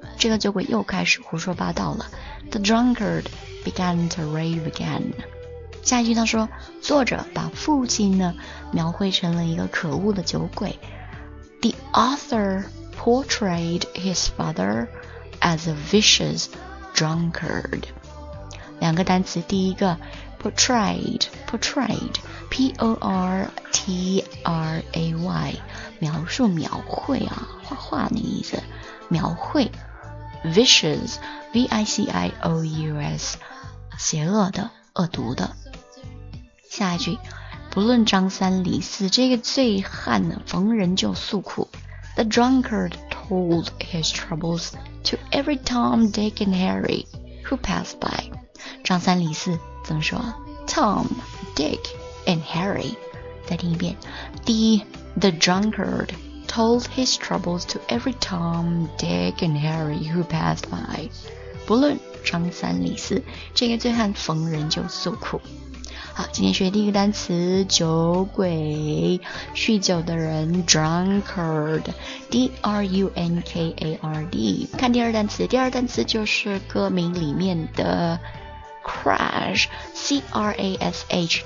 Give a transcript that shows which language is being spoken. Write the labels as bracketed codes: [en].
[zh] 这个酒鬼又开始胡说八道了。 [en] The drunkard began to rave again. [zh] 下一句他说，作者把父亲呢描绘成了一个可恶的酒鬼。 [en] The author portrayed his father as a vicious. [zh] Drunkard， 两个单词，第一个 portrayed，P-O-R-T-R-A-Y， 描述、描绘啊，画画那个意思，描绘 vicious，V-I-C-I-O-U-S， 邪恶的、恶毒的。下一句，不论张三李四，这个醉汉呢，逢人就诉苦。 [en] The drunkard told his troubles. To every Tom, Dick and Harry who passed by. [zh] 张三李四怎么说 ? [en] Tom, Dick and Harry. [zh] 再听一遍。 [en] The drunkard told his troubles to every Tom, Dick and Harry who passed by. [zh] 不论张三李四，这个醉汉逢人就诉苦。好，今天学第一个单词酒鬼，酗酒的人 drunkard， D-R-U-N-K-A-R-D。看第二单词，第二单词就是歌名里面的 crash， C-R-A-S-H。